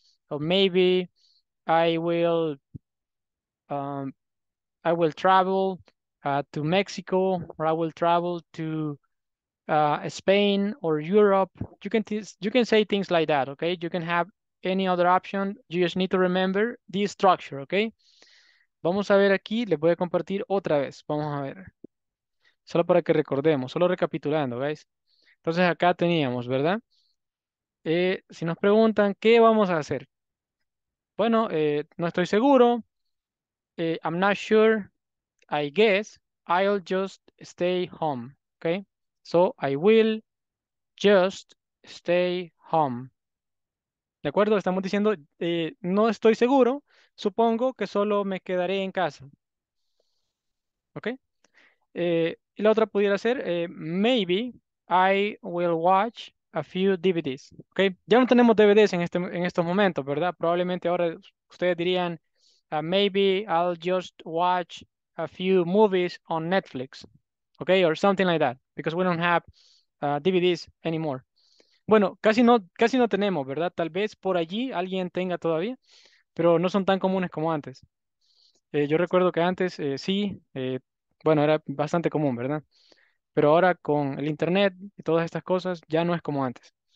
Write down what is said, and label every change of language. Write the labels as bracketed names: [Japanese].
[English] Or maybe I will travel. To Mexico, or I will travel to Spain or Europe. You can say things like that, okay? You can have any other option. You just need to remember the structure, okay? [Spanish] Vamos a ver aquí, les voy a compartir otra vez. Vamos a ver. Solo para que recordemos, solo recapitulando, ¿veis? Entonces acá teníamos, ¿verdad? Si nos preguntan, ¿qué vamos a hacer? Bueno, no estoy seguro. [English] I'm not sure. I guess I'll just stay home. Okay. So I will just stay home. [Spanish] ¿De acuerdo? Estamos diciendo, no estoy seguro. Supongo que solo me quedaré en casa. Ok. Y la otra pudiera ser, [English] maybe I will watch a few DVDs. Ok. [Spanish] Ya no tenemos DVDs en estos momentos, ¿verdad? Probablemente ahora ustedes dirían, [English] maybe I'll just watch a few movies on Netflix, okay, or something like that, because we don't have DVDs anymore. [Spanish] Bueno, casi no tenemos, ¿verdad? Tal vez por allí alguien tenga todavía, pero no son tan comunes como antes. Yo recuerdo que antes sí, bueno, era bastante común, ¿verdad? Pero ahora con el internet y todas estas cosas ya no es como antes.